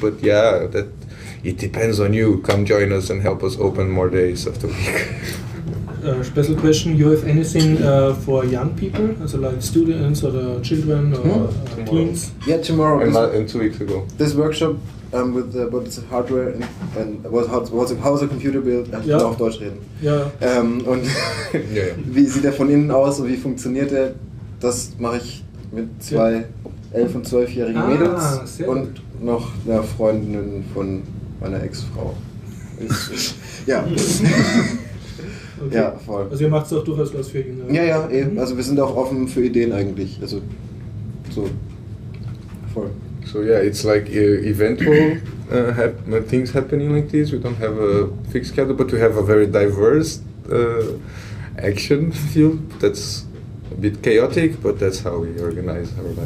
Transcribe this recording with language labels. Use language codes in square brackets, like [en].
[en] But yeah, that it depends on you. Come join us and help us open more days of the week. Special question, you have anything for young people, also like students or the children or teens? Yeah, tomorrow. And 2 weeks ago. This workshop with what is hardware and how is a computer built and [de] ja. Auf Deutsch reden. Ja. Und ja. Wie sieht er von innen aus und wie funktioniert er? Das mache ich mit zwei 11- und 12-jährigen Mädels und noch einer Freundin von meiner Ex-Frau. Ja. Okay. Ja, voll. Also ihr macht es auch durchaus was für Kinder. Ja, ja, also wir sind auch offen für Ideen eigentlich. Also so voll. [en] So yeah, it's like eventual things happening like this. We don't have a fixed schedule, but we have a very diverse action field that's a bit chaotic, but that's how we organize our lives.